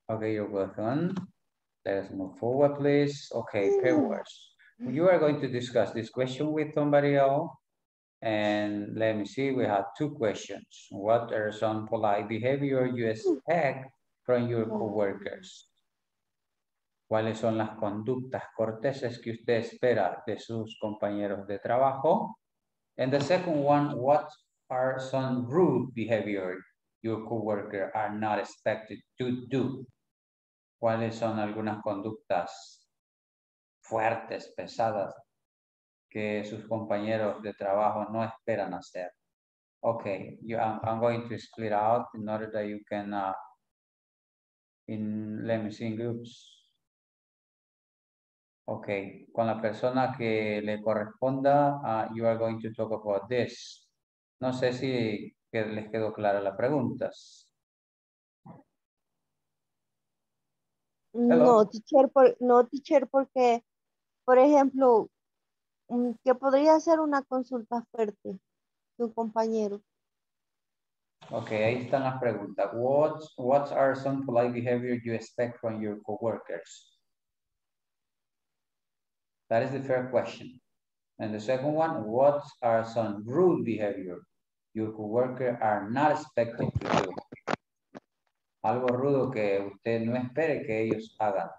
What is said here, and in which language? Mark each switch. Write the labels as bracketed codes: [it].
[en] Okay, you're welcome. Let's move forward, please. Okay, pairwise. Mm-hmm. You are going to discuss this question with somebody else. And let me see, we have two questions. What are some polite behavior you expect from your coworkers? [es] ¿Cuáles son las conductas corteses que usted espera de sus compañeros de trabajo? [en] And the second one, what are some rude behavior your coworker are not expected to do? [es] ¿Cuáles son algunas conductas fuertes, pesadas, que sus compañeros de trabajo no esperan hacer? [en] Okay, I'm going to split out in order that you can, let me see in groups. Okay, [es] con la persona que le corresponda, [en] you are going to talk about this. [es] No sé si les quedó clara las preguntas. No, teacher, porque, por ejemplo, ¿qué podría ser una consulta fuerte de un compañero? Okay, ahí están las preguntas. [en] What are some polite behavior you expect from your coworkers? That is the first question. And the second one, what are some rude behavior your coworker are not expected to do? [es] Algo rudo que usted no espere que ellos hagan.